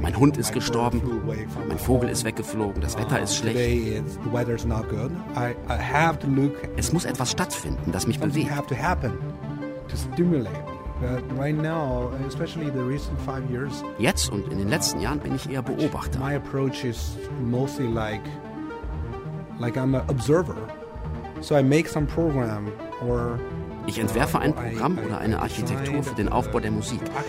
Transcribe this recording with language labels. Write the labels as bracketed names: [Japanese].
[German] Mein Hund ist gestorben. Mein Vogel ist weggeflogen. Das Wetter ist schlecht. [English] Today it's, the weather's not good. I have to look. [German] Es muss etwas stattfinden, das mich bewegt. [English] Something have to happen to stimulate. But right now, especially the recent 5 years. [German] Jetzt und in den letzten Jahren bin ich eher Beobachter. [English] My approach is mostly like I'm an observer. So I make some program or. [German] Ich entwerfe ein Programm oder eine Architektur für den Aufbau der Musik.